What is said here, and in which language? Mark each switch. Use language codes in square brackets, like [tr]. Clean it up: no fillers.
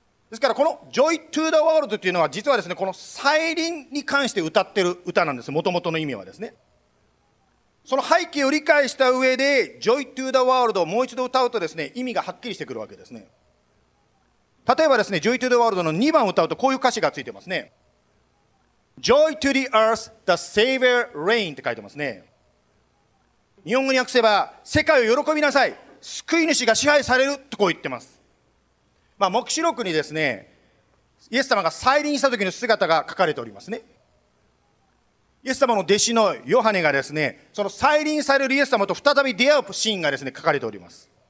[ja] ですからこの Joy to the World というのは実はですね、この再臨に関して歌ってる歌なんです。元々の意味はですね、その背景を理解した上で Joy to the World をもう一度歌うとですね、意味がはっきりしてくるわけですね。例えばですね、 Joy to the World の2番を歌うとこういう歌詞がついてますね。 [en] Joy to the Earth, the Savior reign [ja] って書いてますね。日本語に訳せば、世界を喜びなさい、救い主が支配されるとこう言ってます。まあ、黙示録にですね、イエス様が再臨した時の姿が書かれておりますね。イエス様の弟子のヨハネがですね、その再臨されるイエス様と再び出会うシーンがですね、書かれております。